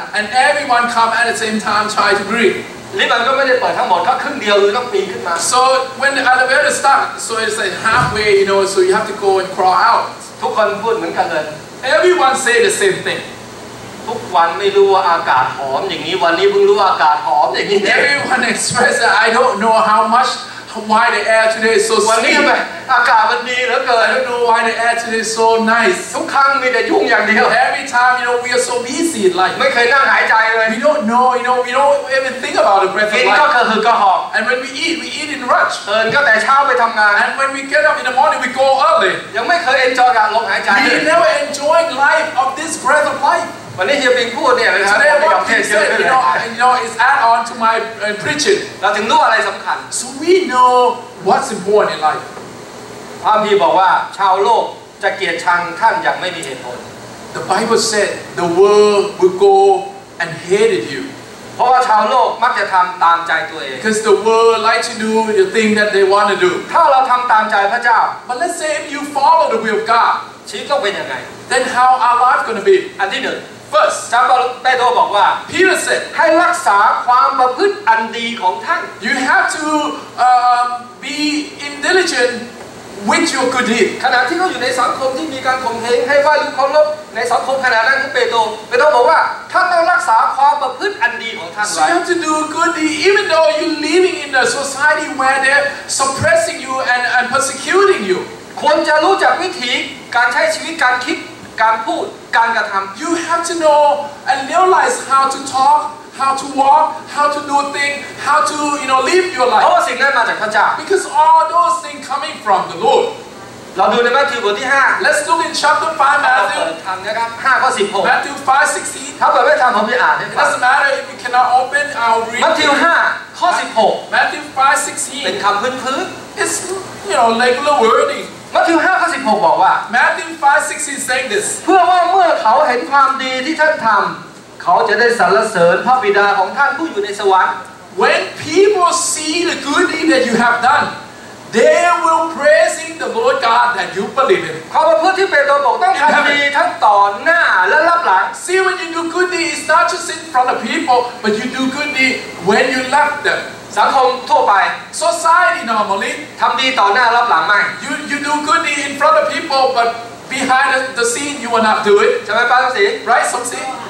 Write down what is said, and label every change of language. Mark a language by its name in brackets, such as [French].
[English] And everyone come at the same time try to breathe. [Thai] ลิฟต์มันก็ไม่ได้เปิดทั้งหมดแค่ครึ่งเดียวหรือต้องปีนขึ้นมา [English] So when the elevator stuck so it's like halfway you know so you have to go and crawl out [Thai] ทุกคนพูดเหมือนกันเลย [English] Everyone say the same thing [Thai] ทุกวันไม่รู้ว่าอากาศหอมอย่างนี้วันนี้เพิ่งรู้ว่าอากาศหอมอย่างนี้ [English] Everyone express that I don't know how much why the air today is so sweet [Thai] วันนี้อากาศมันดีเหลือเกิน [English] I don't know why the air today is so nice [Thai] ทุกครั้งมีแต่ยุ่งอย่างเดียว [English] Every time you know we are so busy in life [Thai] ไม่เคยนั่งหายใจเลย [English] We don't know you know we don't even think about the breath of life [Thai] กินก็คือก็หอม [English] And when we eat in rush [Thai] เออก็แต่เช้าไปทำงาน [English] And when we get up in the morning we go early [Thai] ยังไม่เคย enjoy การลมหายใจ [English] We never enjoy life of this breath of life [Thai] วันนี้เฮียปิงพูดเนี่ยนะครับ ในประเทศเยอะเลย [English] you know it's add on to my preaching [Thai] เราถึงรู้อะไรสำคัญ [English] so we know what's important in life [Thai] พระคัมภีร์บอกว่าชาวโลกจะเกลียดชังท่านอย่างไม่มีเหตุผล [English] the bible said the world will go and hated you [Thai] เพราะว่าชาวโลกมักจะทำตามใจตัวเอง [English] because the world like to do the thing that they want to do [Thai] ถ้าเราทำตามใจพระเจ้า [English] but let's say if you follow the will of god [Thai] ชีวิตต้องเป็นยังไง [English] then how our life gonna be [Thai] อันที่หนึ่ง [English] First, [Thai] จำเป็นเปโตรบอกว่า [English] Peter said [Thai] ให้รักษาความประพฤติอันดีของท่าน [English] You have to be in diligent with your good deed [Thai] ขณะที่เขาอยู่ในสังคมที่มีการข่มเหงให้ว่าลูกคนลบในสังคมขนาดนั้นคือเปโตรบอกว่าท่านต้องรักษาความประพฤติอันดีของท่านไว้ [English] So you have to do good deed even though you living in a society where they're suppressing you and persecuting you [Thai] ควรจะรู้จักวิธีการใช้ชีวิตการคิด การพูดการกระทำ [English] you have to know and realize how to talk how to walk how to do things how to you know live your life [Thai] เพราะสิ่งนั้นมาจากพระเจ้า [English] because all those things coming from the Lord [Thai] เราดูในมัทธิวบทที่5 [English] let's look in chapter 5 Matthew [Thai] ทำนะครับ [English] 5ข้อ16 Matthew 5:16 [Thai] ถ้าเปิดไม่ทันผมไปอ่านได้ [English] doesn't matter if you cannot open I'll read [Thai] Matthew 5ข้อ16 [English] Matthew 5:16 [Thai] เป็นคำพื้น [English] it's you know regular wording [Thai] Matthew 5 ข้อ 16 บอกว่า [English] Matthew 5 16 saying this [Thai] เพื่อว่าเมื่อเขาเห็นความดีที่ท่านทำเขาจะได้สรรเสริญพระบิดาของท่านผู้อยู่ในสวรรค์ [English] When people see the good deed that you have done they will praising the Lord God that you believe in [Thai] ความประพฤติที่เปโตรบอกต้องทำดีทั้งต่อหน้าและรับหลัง [English] See when you do good deed it's not just in front of people but you do good deed when you left them [Thai] สังคมทั่วไป [English] society normally [Thai] ทำดีต่อหน้ารับหลังไหม [English] you do good deed in front of people but behind the scene you will not do it [Thai] ใช่ไหมป้าสมศรี [English] right สมศรี